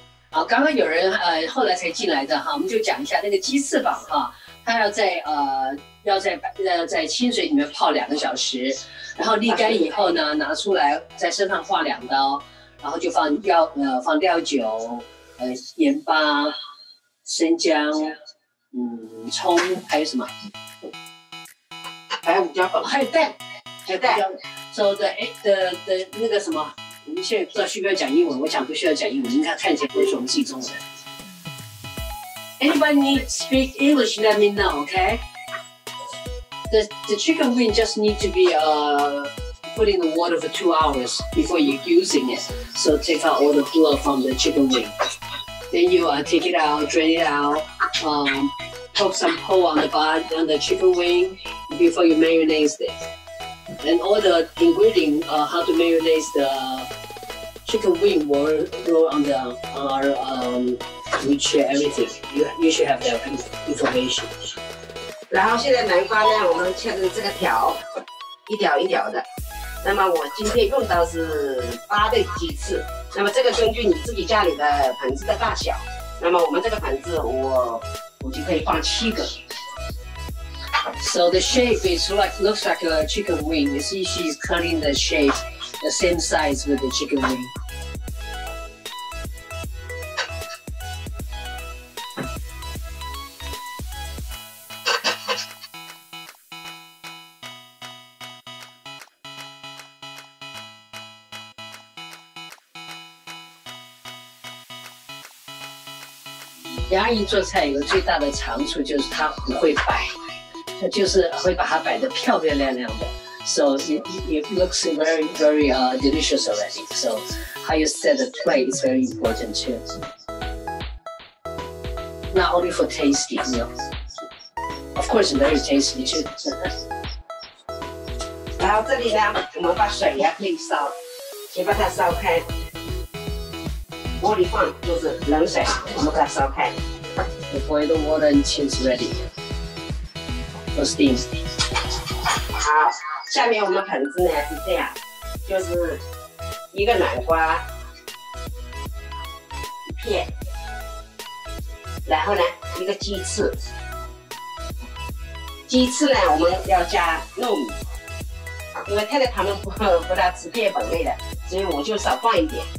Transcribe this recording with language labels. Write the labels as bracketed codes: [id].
[zh] 好，刚刚有人后来才进来的哈，我们就讲一下那个鸡翅膀哈，它要在要在清水里面泡2个小时，然后沥干以后呢，拿出来在身上划两刀，然后就放料酒、盐巴、生姜、葱，还有什么？还有胡椒粉，还有蛋，还有蛋。 [en] So the [zh] 那个什么？我们现在不知道需不需要讲英文，我讲不需要讲英文，应该看起来不是我们自己中文。 [en] Anybody need to speak English, let me know, okay? The chicken wing just need to be put in the water for 2 hours before you're using it. So take out all the blood from the chicken wing. Then you take it out, drain it out, poke some hole on the bottom, on the chicken wing before you marinate it. And all the ingredients, how to marinate the chicken wing, were on the our wheelchair, everything. You should have that information. [zh] 然后现在南瓜呢，我们切成这个条，一条一条的。那么我今天用到是8对鸡翅。那么这个根据你自己家里的盆子的大小。那么我们这个盆子，我就可以放7个。 [en] So the shape is like, looks like a chicken wing. You see, she's cutting the shape the same size with the chicken wing. [zh] Yang Yi 做菜有最大的长处就是她不会摆。就是会把它摆得漂漂亮亮的 ， [en] so it looks very very delicious already. So how you set the plate is very important too. Not only for tasty, you know. Of course, very tasty too. [zh] 然后这里呢，我们把水呀可以烧，先把它烧开，锅里放就是冷水，我们把它烧开。 [en] Boil the water until it's ready. For steam. [zh] 好，下面我们盆子呢是这样，就是一个南瓜一片，然后呢一个鸡翅，鸡翅呢我们要加糯米，因为太太他们不大吃淀粉类的，所以我就少放一点。